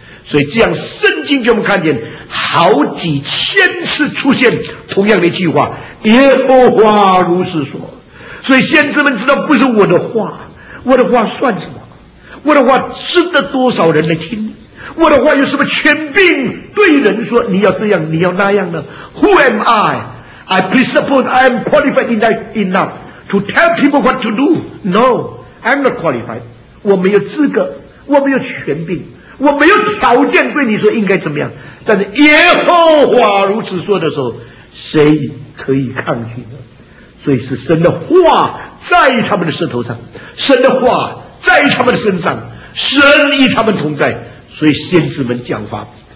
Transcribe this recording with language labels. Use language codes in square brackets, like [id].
[zh] 所以这样圣经就我们看见好几千次出现同样的一句话，耶和华如是说。所以先知们知道不是我的话，我的话算什么？我的话值得多少人来听？我的话有什么权柄对人说你要这样你要那样呢？ [en] Who am I? I presuppose I am qualified enough to tell people what to do. No, I'm not qualified. [zh] 我没有资格，我没有权柄，我没有条件对你说应该怎么样。但是耶和华如此说的时候，谁可以抗拒呢？所以是神的话在他们的舌头上，神的话在他们的身上，神与他们同在，所以先知们讲法。